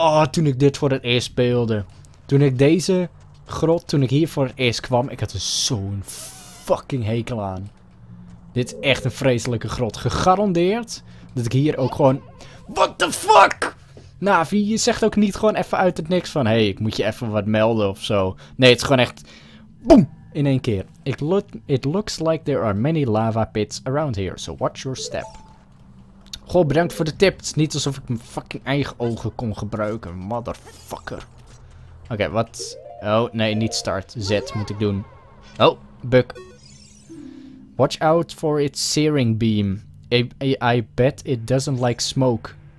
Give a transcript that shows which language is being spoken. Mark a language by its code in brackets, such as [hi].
[nl] Toen ik dit voor het eerst speelde. Toen ik deze grot, toen ik hier voor het eerst kwam, ik had er zo'n fucking hekel aan. Dit is echt een vreselijke grot. Gegarandeerd dat ik hier ook gewoon... [en] What the fuck? [nl] Navi, je zegt ook niet gewoon even uit het niks van... Hé, ik moet je even wat melden of zo. Nee, het is gewoon echt... Boom! In één keer. [en] It looks like there are many lava pits around here. So watch your step. [nl] Goh, bedankt voor de tip. Het is niet alsof ik mijn fucking eigen ogen kon gebruiken. Motherfucker. Oké, wat... Oh, nee, niet start. Z moet ik doen. Oh, buk. [en] Watch out for its searing beam. I bet it doesn't like smoke.